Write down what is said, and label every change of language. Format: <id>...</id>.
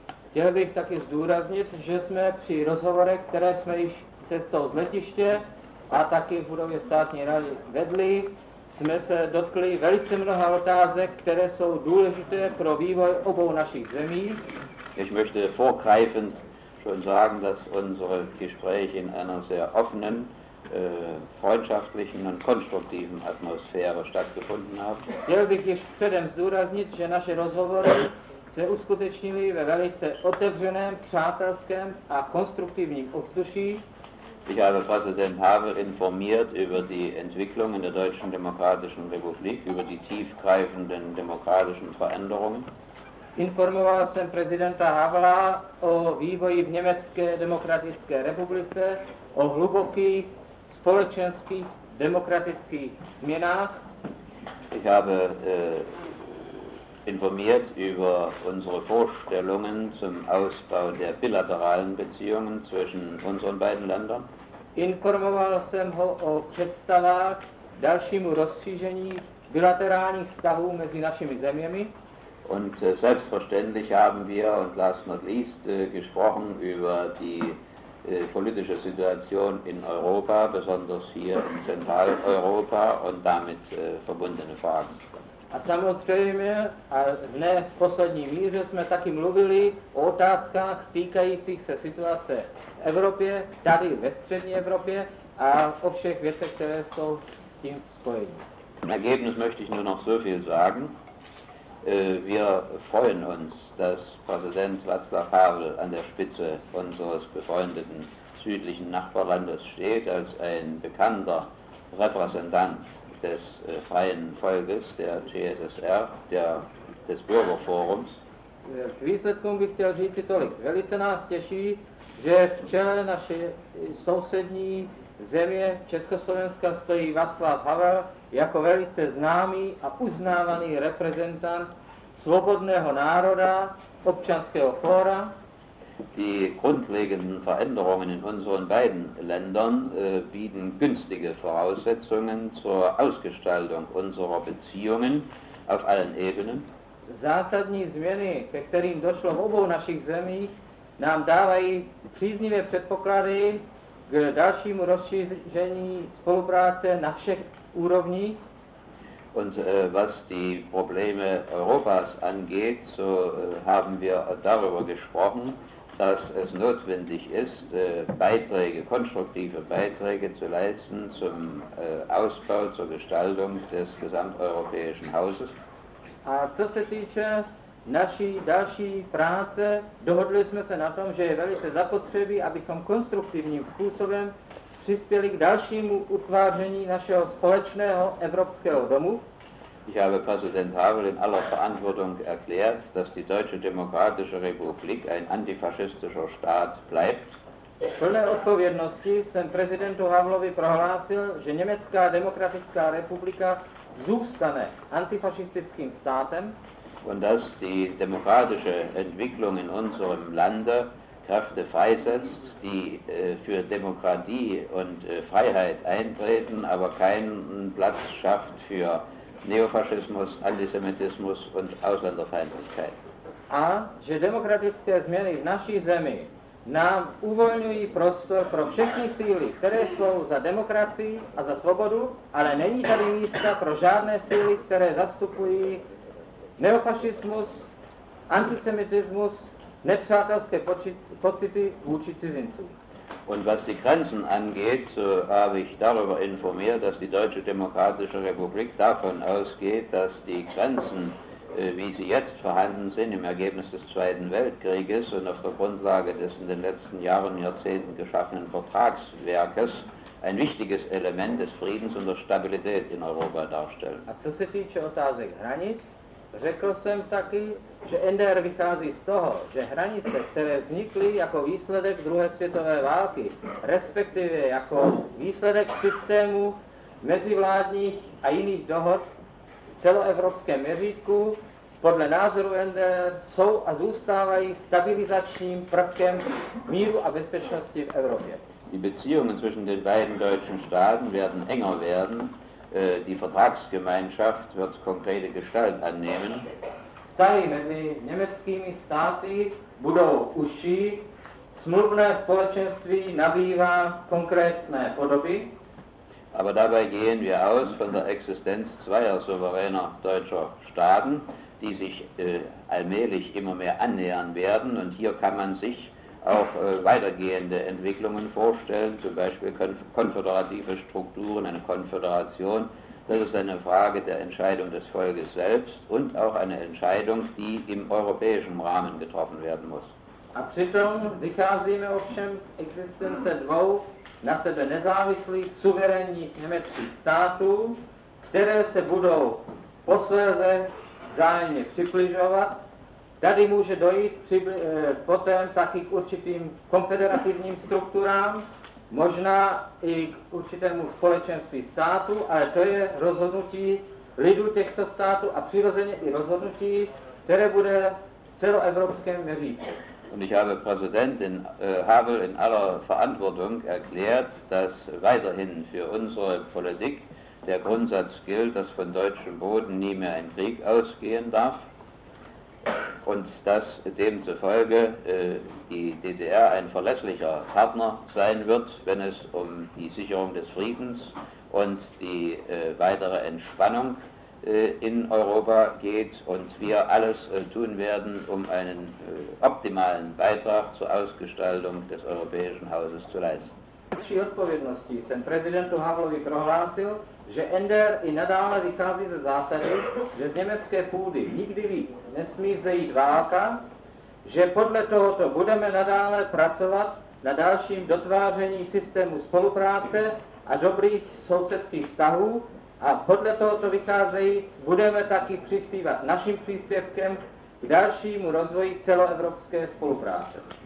<cs>Chtěl bych taky zdůraznit, že jsme při rozhovorech, které jsme již cestou z letiště a taky v budově státní rady vedli, jsme se dotkli velice mnoha otázek, které jsou důležité pro vývoj obou našich zemí.</cs> <de>Ich möchte vorgreifend schon sagen, dass unsere Gespräche in einer sehr offenen, freundschaftlichen und konstruktiven Atmosphäre stattgefunden haben.</de> <cs>Chtěl bych ještě předem zdůraznit, že naše rozhovory se uskutečnili ve velice otevřeném, přátelském a konstruktivním ovzduší.</cs> <de>Ich habe Präsident Havel informiert über die Entwicklung in der Deutschen Demokratischen Republik, über die tiefgreifenden demokratischen Veränderungen.</de> <cs>Informoval jsem prezidenta Havla o vývoji v Německé demokratické republice, o hlubokých společenských demokratických změnách.</cs> <de>Ich habe informiert über unsere Vorstellungen zum Ausbau der bilateralen Beziehungen zwischen unseren beiden Ländern.</de> <cs>Informoval jsem ho o představách dalšímu rozšíření bilaterálních vztahů mezi našimi zeměmi.</cs> <de>Und selbstverständlich haben wir, und</de> <en>last not least,</en> <de>gesprochen über die politische Situation in Europa, besonders hier in Zentraleuropa und damit verbundene Fragen.</de> <cs>A samozřejmě, a ne v poslední míře, jsme taky mluvili o otázkách týkajících se situace v Evropě, tady ve střední Evropě a o všech věcech, které jsou s tím spojeny.</cs> <de>Ergebnis möchte ich nur noch so viel sagen. Wir freuen uns, dass Präsident Václav Havel an der Spitze unseres befreundeten südlichen Nachbarlandes steht, als ein bekannter Repräsentant des freien Volkes, der GSSR, des Bürgerforums.</de> <cs>K výsledku bych chtěl říct tolik. Velice nás těší, že v čele naše sousední země Československa stojí Václav Havel jako velice známý a uznávaný reprezentant svobodného národa, občanského fóra.</cs> <de>Die grundlegenden Veränderungen in unseren beiden Ländern bieten günstige Voraussetzungen zur Ausgestaltung unserer Beziehungen auf allen Ebenen.</de> <cs>Zásadní změny, ke kterým došlo v obou našich zemích, nám dávají příznivé předpoklady k dalšímu rozšíření spolupráce na všech úrovních.</cs> <de>Und was die Probleme Europas angeht, so haben wir darüber gesprochen, dass es notwendig ist, Beiträge, konstruktive Beiträge zu leisten zum Ausbau, zur Gestaltung des gesamteuropäischen Hauses.</de> <cs>A co se týče naší další práce, dohodli jsme se na tom, že je velice zapotřebí, abychom konstruktivním způsobem přispěli k dalšímu utváření našeho společného evropského domu.</cs> <de>Ich habe Präsident Havel in aller Verantwortung erklärt, dass die Deutsche Demokratische Republik ein antifaschistischer Staat bleibt.</de> <cs>V plné odpovědnosti jsem prezidentu Havlovi prohlásil, že Německá demokratická republika zůstane antifašistickým státem.</cs> <de>Und dass die demokratische Entwicklung in unserem Lande Kräfte freisetzt, die für Demokratie und Freiheit eintreten, aber keinen Platz schafft für Neofaschismus, Antisemitismus und Ausländerfeindlichkeit.</de> <cs>A že demokratické změny v naší zemi nám uvolňují prostor pro všechny síly, které jsou za demokracii a za svobodu, ale není tady místa pro žádné síly, které zastupují neofašismus, antisemitismus, nepřátelské pocity vůči cizincům.</cs> <de>Und was die Grenzen angeht, so habe ich darüber informiert, dass die Deutsche Demokratische Republik davon ausgeht, dass die Grenzen, wie sie jetzt vorhanden sind, im Ergebnis des Zweiten Weltkrieges und auf der Grundlage des in den letzten Jahren und Jahrzehnten geschaffenen Vertragswerkes, ein wichtiges Element des Friedens und der Stabilität in Europa darstellen.</de> <cs>A co se týče otázek hranic, řekl jsem taky, že NDR vychází z toho, že hranice, které vznikly jako výsledek druhé světové války, respektive jako výsledek systému mezivládních a jiných dohod v celoevropském měřítku, podle názoru NDR jsou a zůstávají stabilizačním prvkem míru a bezpečnosti v Evropě.</cs> <de>Die Beziehungen zwischen den beiden deutschen Staaten werden enger werden. Die Vertragsgemeinschaft wird konkrete Gestalt annehmen.</de> <cs>Vztahy mezi německými státy budou užší, smluvné společenství nabývá konkrétné podoby.</cs> <de>Aber dabei gehen wir aus von der Existenz zweier souveräner deutscher Staaten, die sich allmählich immer mehr annähern werden. Und hier kann man sich auch weitergehende Entwicklungen vorstellen, zum Beispiel konföderative Strukturen, eine Konföderation. Das ist eine Frage der Entscheidung des Volkes selbst und auch eine Entscheidung, die im europäischen Rahmen getroffen werden muss.</de> <cs>A přitom vycházíme ovšem z existence dvou na sebe nezávislých suverénních německých států, které se budou posléze vzájemně přibližovat. Tady může dojít potom taky k určitým konfederativním strukturám, možná i k určitému společenství států, ale to je rozhodnutí lidů těchto států a přirozeně i rozhodnutí, které bude v celoevropském měřítku.</cs> <de>Und ich habe Präsidentin Havel in aller Verantwortung erklärt, dass weiterhin für unsere Politik der Grundsatz gilt, dass von deutschem Boden nie mehr ein Krieg ausgehen darf. Und dass demzufolge die DDR ein verlässlicher Partner sein wird, wenn es um die Sicherung des Friedens und die weitere Entspannung in Europa geht und wir alles tun werden, um einen optimalen Beitrag zur Ausgestaltung des Europäischen Hauses zu leisten.</de> <cs>Naší odpovědnosti jsem prezidentu Havlovi prohlásil, že NDR i nadále vychází ze zásady, že z německé půdy nikdy víc nesmí zejít válka, že podle tohoto budeme nadále pracovat na dalším dotváření systému spolupráce a dobrých sousedských vztahů a podle tohoto vycházejí budeme taky přispívat naším příspěvkem k dalšímu rozvoji celoevropské spolupráce.</cs>